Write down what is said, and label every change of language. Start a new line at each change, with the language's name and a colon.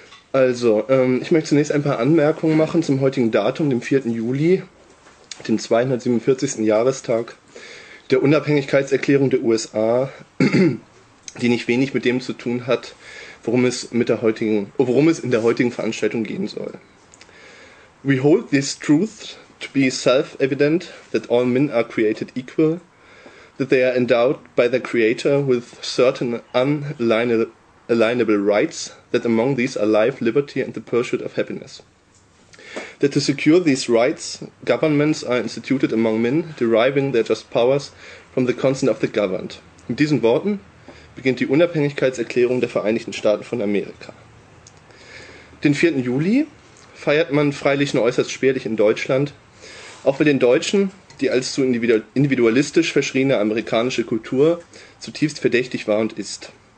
German: Also, ich möchte zunächst ein paar Anmerkungen machen zum heutigen Datum, dem 4. Juli, dem 247. Jahrestag der Unabhängigkeitserklärung der USA, die nicht wenig mit dem zu tun hat, worum es in der heutigen Veranstaltung gehen soll.
English: We hold this truth to be self-evident that all men are created equal, that they are endowed by their creator with certain unalienable rights, that among these are life, liberty and the pursuit of happiness. That to secure these rights, governments are instituted among men, deriving their just powers from the consent of the governed.
German: Mit diesen Worten beginnt die Unabhängigkeitserklärung der Vereinigten Staaten von Amerika. Den 4. Juli feiert man freilich nur äußerst spärlich in Deutschland, auch weil den Deutschen die als zu individualistisch verschriene amerikanische Kultur zutiefst verdächtig war und ist.